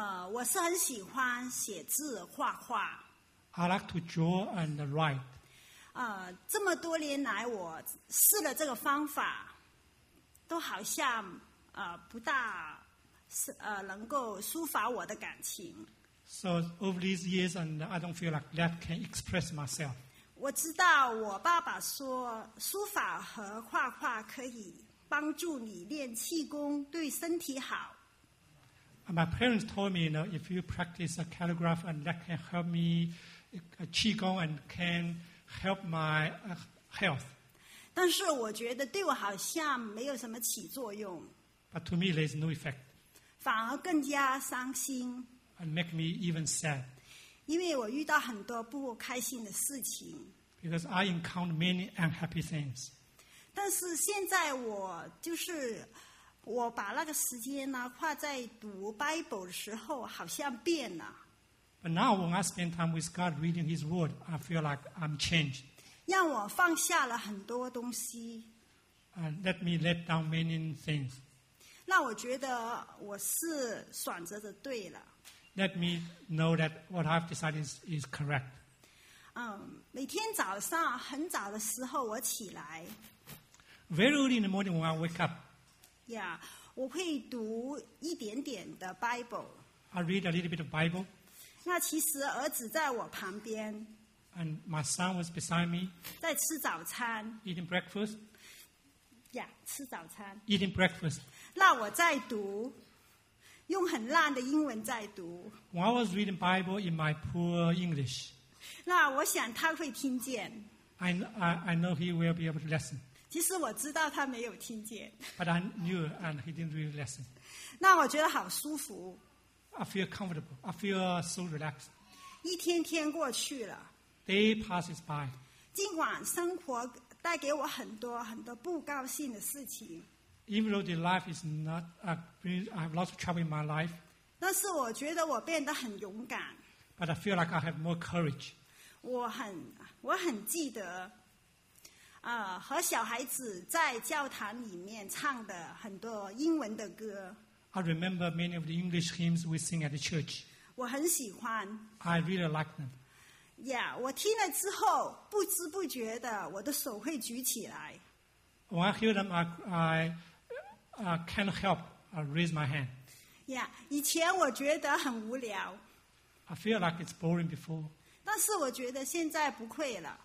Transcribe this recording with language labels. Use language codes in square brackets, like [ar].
[zh] 我是很喜欢写字画画。 [en] I like to draw and write. [zh] 这么多年来我试了这个方法都好像不大能够抒发我的感情。 [en] So over these years, and I don't feel like that can express myself. [zh] 我知道我爸爸说书法和画画可以帮助你练气功，对身体好。 [en] And my parents told me, you know, if you practice a calligraph, and that can help me, qigong, and can help my health. [zh] 但是我觉得对我好像没有什么起作用。 [en] But to me, there is no effect. [zh] 反而更加伤心。 [en] And make me even sad. [zh] 因为我遇到很多不开心的事情。 [en] Because I encounter many unhappy things. [zh] 但是现在我就是我把那个时间呢花在读 Bible 的时候，好像变了。 [en] But now when I spend time with God reading His Word, I feel like I'm changed. [zh] 让我放下了很多东西。 [en] Let me let down many things. [zh] 那我觉得我是选择的对了。 [en] Let me know that what I've decided is correct. [zh] 每天早上很早的时候我起来。 [en] Very early in the morning when I wake up. [zh] Yeah, 我会读一点点的 Bible. [en] I read a little bit of Bible. [zh] 那其实儿子在我旁边。 [en] And my son was beside me. [zh] 在吃早餐。 [en] Eating breakfast. [zh] Yeah, 吃早餐。 [en] Eating breakfast. [zh] 那我在读。用很烂的英文在读。 [en] When I was reading Bible in my poor English. [zh] 那我想他会听见。 [en] I know he will be able to listen. [zh] 其实我知道他没有听见。 [en] But I knew and he didn't really listen. [zh] 那我觉得好舒服。 [en] I feel comfortable. I feel so relaxed. [zh] 一天天过去了。 [en] Day passes by. [zh] 尽管生活带给我很多很多不高兴的事情。 [en] Even though the life is not, I have lots of trouble in my life. [zh] 但是我觉得我变得很勇敢。 [en] But I feel like I have more courage. [zh] 我很记得，和小孩子在教堂里面唱的很多英文的歌。 [en] I remember many of the English hymns we sing at the church. [zh] 我很喜欢。 [en] I really like them. [zh] Yeah, 我听了之后，不知不觉的，我的手会举起来。 [en] When I hear them, I can't help raise my hand. [zh] Yeah, 以前我觉得很无聊。 [en] I feel like it's boring before. [zh] 但是我觉得现在不会了。